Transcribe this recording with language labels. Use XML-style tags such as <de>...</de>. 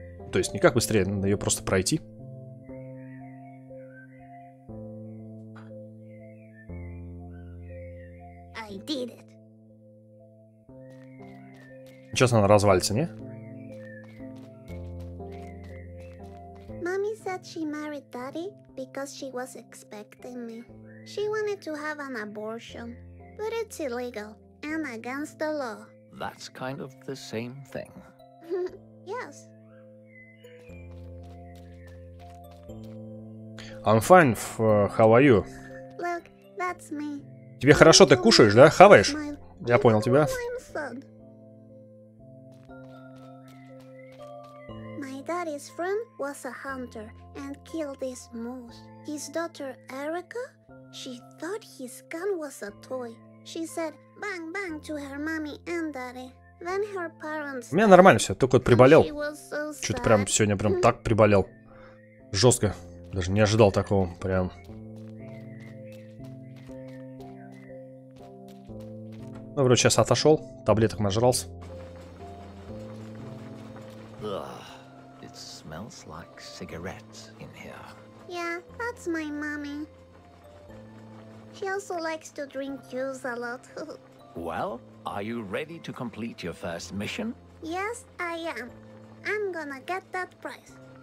<ru>То есть не как быстрее, надо ее просто пройти.</ru> <en>I did it.</en> <ru>Сейчас она развалится, не?</ru> <en>Mommy said she married daddy because she was expecting me. She wanted to have an abortion. But it's illegal and against the law. That's kind of the same thing. Yes. I'm fine. How are you? Look, that's me.</en> <ru>Тебе хорошо, ты кушаешь, да? Хаваешь? Я понял тебя.</ru> <en>My daddy's friend was a hunter and killed this moose. His daughter Erica, she thought his gun was a toy. She said bang bang to her mommy and daddy. Then her parents.</en> <ru>У меня нормально все, только вот приболел. Что-то прям сегодня прям так приболел. Жестко. Даже не ожидал такого, прям. Ну, вроде сейчас отошел, таблеток нажрался.</ru> <en>It smells like cigarettes in here. Yeah, that's my mommy. She also likes to drink juice a lot. Well, are you ready to complete your first mission? Yes, I am. I'm gonna get that prize.</en>